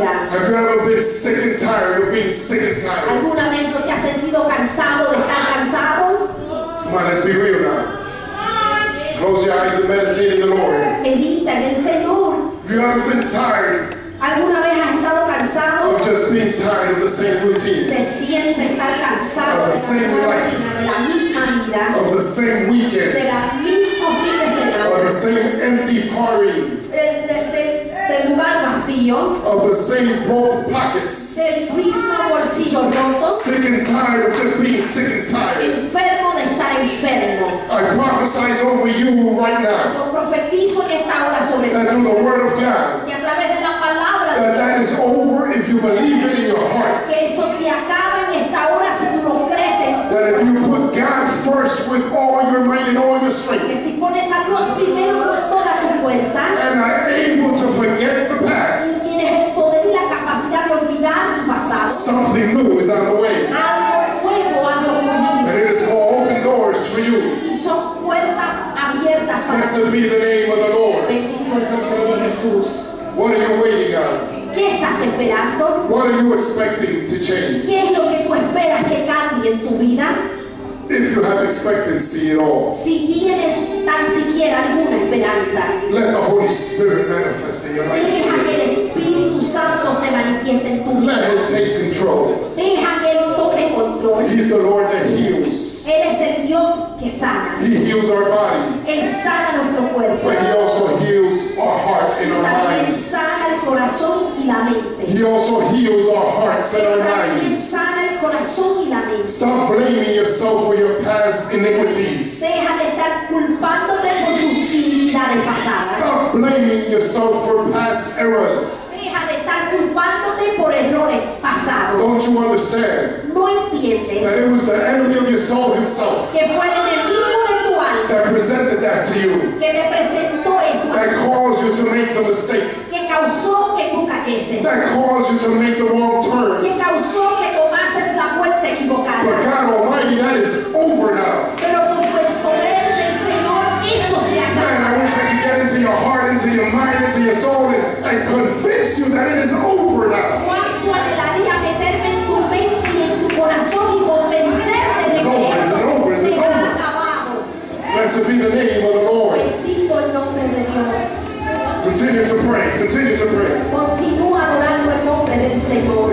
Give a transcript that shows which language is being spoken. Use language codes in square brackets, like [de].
[en] Have you ever been sick and tired of being sick and tired? [es] ¿Alguna vez no te has sentido cansado de estar cansado? [en] Come on, let's be real now. Close your eyes and meditate in the Lord. [es] Medita en el Señor. [en] Have you ever been tired? [es] ¿Alguna vez has estado cansado? [en] Of just being tired of the same routine. [es] De siempre estar cansado. [en] Of the same life. [es] De la misma vida. [en] Of the same weekend. [es] De la misma fin de semana. [en] Of the same empty party. [es] Del lugar vacío. [en] Of the same broke pockets. [es] Del mismo bolsillo roto. [en] Sick and tired of just being sick and tired. [es] Enfermo de estar enfermo. [en] I prophesy over you right now. [es] Yo profetizo en esta hora sobre ti. [en] That through the word of God. [es] Y a través de la palabra. [en] That is over if you believe it in your heart. [es] Que eso se acaba en esta hora si tú lo crees. [en] That if you put God first with all your might and all your strength. [es] Que si pones a Dios primero con toda tu fuerza. [en] And are able to forget the past. [es] Y tienes el poder y la capacidad de olvidar tu pasado. [en] Something new is on the way. [es] Algo nuevo ha de ocurrir. [en] And it is for open doors for you. [es] Y son puertas abiertas para ti. [en] Blessed be the name of the Lord. [es] Bendito es el nombre de Jesús. [en] What are you waiting on? [es] ¿Qué estás esperando? [en] What are you expecting to change? [es] ¿Qué es lo que tú esperas que cambie en tu vida? [en] If you have expectancy at all, [es] si tienes tan siquiera alguna esperanza, [en] let the Holy Spirit manifest in your life. [es] Deja que el Espíritu Santo se manifieste en tu vida. [en] Let Him take control. [es] Deja que Él tome control. [en] He's the Lord that heals. [es] Él es el Dios que sana. [en] He heals our body. [es] Él sana nuestro cuerpo. [en] But He also heals our heart and our minds. [es] También sana el corazón y la mente. [en] He also heals our hearts and our minds. [es] Sana el corazón y la mente. [en] Stop blaming yourself for your past iniquities. [es] Deja de estar culpándote por tus iniquidades pasadas. [en] Stop blaming yourself for past errors. [es] Deja de estar culpándote por errores pasados. [en] Don't you understand? [es] No entiendes. [en] That it was the enemy of your soul himself. [es] Que fue el enemigo de tu alma. [en] That presented that to you. [es] Que te presentó eso. [en] That caused you to make the mistake. [es] Que causó que tú cayeses. [en] That caused you to make the wrong turn. [es] Que causó que tomases la vuelta equivocada. [en] But God Almighty, that is over now. [es] Pero con el poder del Señor, eso se acaba. [en] Man, I wish I could get into your heart, into your mind, into your soul, and convince you that it is over now. [es] ¿Cuánto anhelaría meterme en tu mente y en tu corazón y convencerte de que [en] it's over, [es] eso [en] it's [es] se [en] it's [es] ha [en] over. [es] Acabado? [en] Blessed be the name of the Lord. [es] Bendito el nombre de Dios. [en] Continue to pray. Continue to pray. [es] Continúa adorando el nombre del Señor.